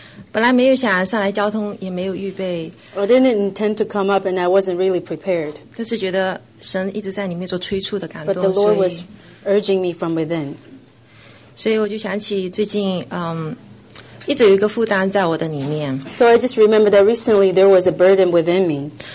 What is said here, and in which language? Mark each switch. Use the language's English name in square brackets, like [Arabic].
[Chinese] 本来没有想上来交通，也没有预备。 [English] I didn't intend to come up, and I wasn't really prepared. [Chinese] 但是觉得神一直在里面做催促的感动。 [English] But the Lord was urging me from within. [Chinese] 所以我就想起最近，一直有一个负担在我的里面。 [English] So I just remember that recently there was a burden within me.